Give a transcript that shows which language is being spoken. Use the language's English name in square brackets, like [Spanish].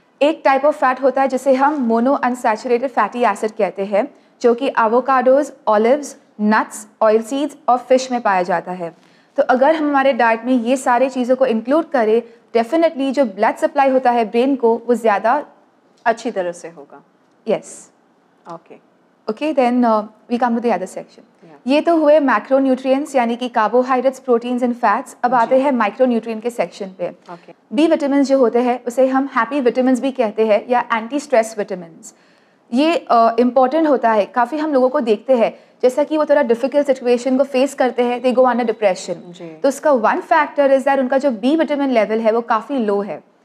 [Urdu] ایک type of fat ہوتا ہے جسے ہم مونو انسیچوریٹڈ فیٹی ایسڈ کہتے ہیں, جو کہ اووکاڈوز, اولیوز, نٹس, آئل سیڈز اور فش میں پایا جاتا ہے. تو اگر ہم ہمارے ڈائٹ میں یہ سارے چیزوں کو انکلوڈ کریں ڈیفینیٹلی جو بلڈ سپلائی ہوتا ہے برین کو وہ زیادہ اچھی طرح سے ہوگا. [English] Yes okay okay then we come to the other section. [Urdu] یہ تو ہوئے مائکرو نیوٹرینٹس یعنی کہ کاربوہائیڈریٹس پروٹینس اینڈ فیٹس. اب آتے ہیں مائکرو نیوٹرینٹ کے سیکشن پہ. بی وٹامنس جو ہوتے ہیں اسے ہم ہیپی وٹامنس بھی کہتے ہیں یا اینٹی اسٹریس وٹامنس. یہ امپورٹنٹ ہوتا ہے, کافی ہم لوگوں کو دیکھتے ہیں جیسا کہ وہ تھوڑا ڈیفیکلٹ سچویشن کو فیس کرتے ہیں, [English] they go on a depression, [Urdu] تو اس کا [English] one factor is that [Urdu] in کا جو بی وٹامن لیول ہے وہ کافی لو ہے.